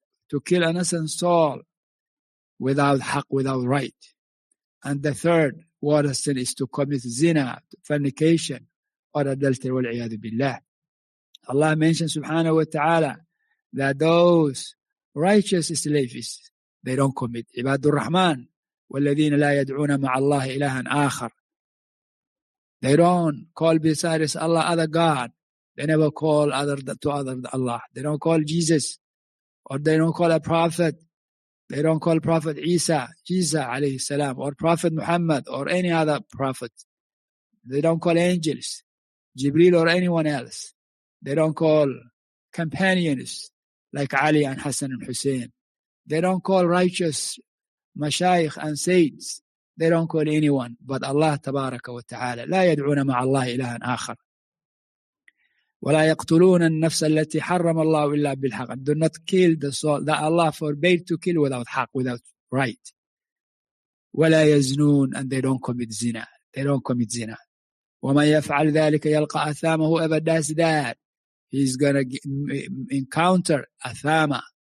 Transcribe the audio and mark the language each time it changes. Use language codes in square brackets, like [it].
[en] To kill innocent soul without haq, without right. And the third worst sin is to commit zina, fornication, or adultery, wal-iyadu billah. Allah mentioned subhanahu wa ta'ala that those righteous slaves, they don't commit. [ar] Ibadur Rahman, وَالَّذِينَ لَا يَدْعُونَ مَعَ اللَّهِ إِلَهًا آخَرَ. [en] They don't call besides Allah other God. They never call other than Allah. They don't call Jesus, or they don't call a prophet. They don't call Prophet Isa alayhi salam, or Prophet Muhammad, or any other prophet. They don't call angels, Jibreel or anyone else. They don't call companions like Ali and Hassan and Hussein. They don't call righteous mashayikh and saints. They don't call anyone but Allah tabaraka wa ta'ala. [ar] لا يدعون مع الله إلها آخر. ولا يقتلون النفس التي حرم الله إلا بالحق. [en] Do not kill the soul that Allah forbade to kill without haq, without right. [ar] ولا يزنون, [en] and they don't commit zina. [ar] وَمَنْ يَفْعَلْ ذَٰلِكَ يَلْقَ أَثَامَ. [en] Whoever does that, he's going to encounter athama.